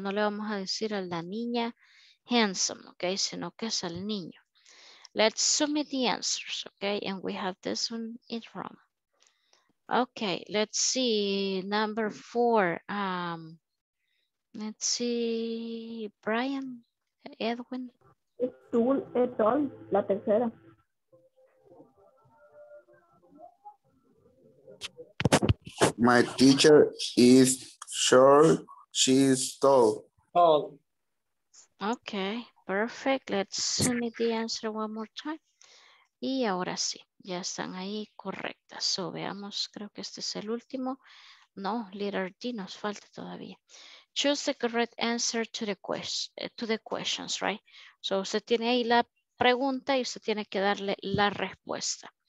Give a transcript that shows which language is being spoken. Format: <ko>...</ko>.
<es>No le vamos a decir a la niña handsome, okay, sino que es al niño.</es> <en>Let's submit the answers, okay, and we have this one in Roma. Okay, let's see, number four. Let's see, Brian, Edwin. School at all, la tercera. My teacher is short, she is tall. Tall. Okay, perfect. Let's send me the answer one more time.</en> <es>Y ahora sí, ya están ahí correctas. So, veamos, creo que este es el último. No, letter D nos falta todavía.</es> <en>Choose the correct answer to the question, to the questions, right?</en> <es>So, usted tiene ahí la pregunta y usted tiene que darle la respuesta.</es>